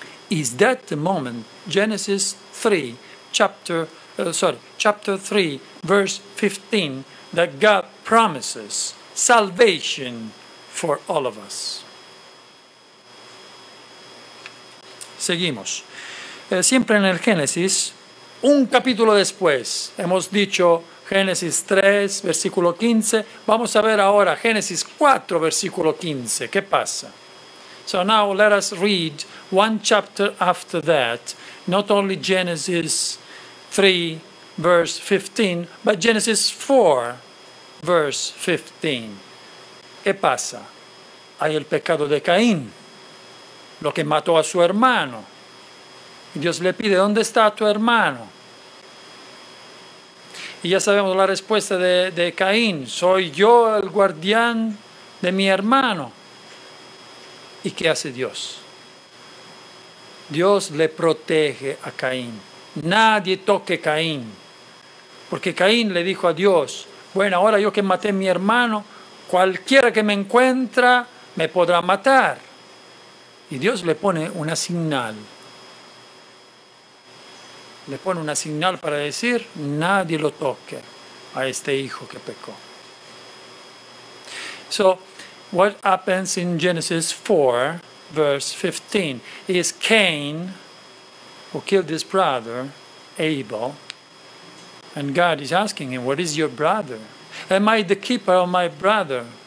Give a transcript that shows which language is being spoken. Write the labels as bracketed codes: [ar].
[en] Is that the moment, Genesis 3, chapter 3, verse 15, that God promises salvation for all of us? [es] Seguimos. Siempre en el Génesis, un capítulo después, hemos dicho Génesis 3, versículo 15. Vamos a ver ahora Génesis 4, versículo 15. ¿Qué pasa? [en] So now let us read one chapter after that, not only Genesis 3, verse 15, but Genesis 4, verse 15. [es] ¿Qué pasa? Hay el pecado de Caín, lo que mató a su hermano. Y Dios le pide, ¿dónde está tu hermano? Y ya sabemos la respuesta de Caín, soy yo el guardián de mi hermano. ¿Y qué hace Dios? Dios le protege a Caín. Nadie toque a Caín. Porque Caín le dijo a Dios, bueno, ahora yo que maté a mi hermano, cualquiera que me encuentra me podrá matar. Y Dios le pone una señal. Le pone una señal para decir, nadie lo toque a este hijo que pecó. [en] So, what happens in Genesis 4, verse 15, is Cain, who killed his brother, Abel, and God is asking him, what is your brother? Am I the keeper of my brother?